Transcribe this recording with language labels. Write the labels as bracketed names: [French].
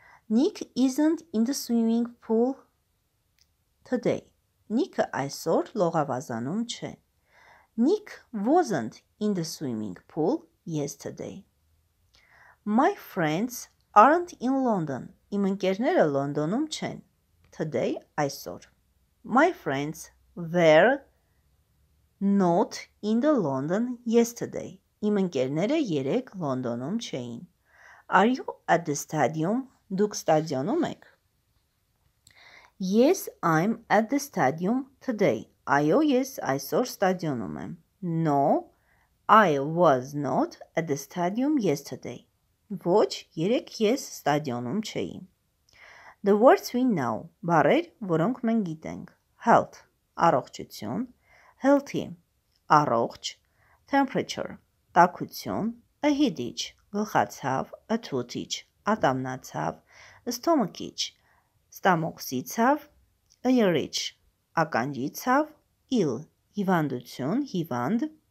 [English] Nick isn't in the swimming pool today. [Armenian] Nick-ը այսօր լողավազանում չէ. [English] Nick wasn't in the swimming pool yesterday. My friends aren't in London. [Armenian] Իմ ընկերները Լոնդոնում չեն. [English] Today այսօր. My friends were not in the London yesterday. [Armenian] Իմ ընկերները 3 Լոնդոնում չէին. [English] Are you at the stadium? [Armenian] Դուք ստադիոնում եք։ [English] Yes, I'm at the stadium today. [Armenian] Այո, ես այսօր ստադիոնում եմ։ [English] No, I was not at the stadium yesterday. [Armenian] Ոչ, երեկ ես ստադիոնում չէի։ [English] The words we know. [Armenian] Բառեր, որոնք մենք գիտենք։ Health, առողջություն, healthy, առողջ, temperature, տաքություն, a headache, գլխացավ, a toothache, ատամնացավ, stomachache, ստամոքսիցավ, a earache, ականջիցավ, ill, հիվանդություն, հիվանդ,